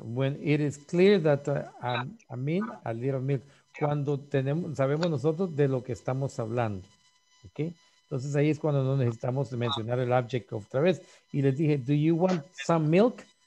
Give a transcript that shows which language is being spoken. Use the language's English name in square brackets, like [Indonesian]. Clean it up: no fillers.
[English] When it is clear that I mean a little milk. [Spanish] Cuando sabemos nosotros de lo que estamos hablando, ¿ok? Entonces ahí es cuando no necesitamos mencionar el object otra vez. Y les dije, [English] do you want some milk?